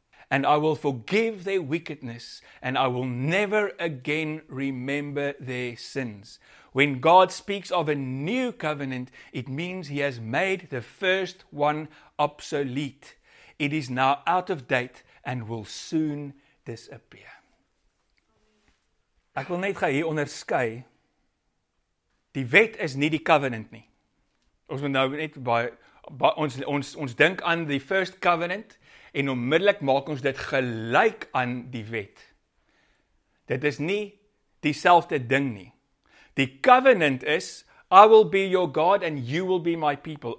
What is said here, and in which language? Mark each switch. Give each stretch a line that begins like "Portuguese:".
English: And I will forgive their wickedness, and I will never again remember their sins. When God speaks of a new covenant, it means he has made the first one obsolete. It is now out of date and will soon disappear.
Afrikaans: Ek wil net gou hier onderskei. Die wet is nie die covenant nie. Ons moet nou net ons dink aan die first covenant en onmiddellik maak ons dit gelyk aan die wet. Dit is nie dieselfde ding nie. Die covenant is
English: I will be your God and you will be my people.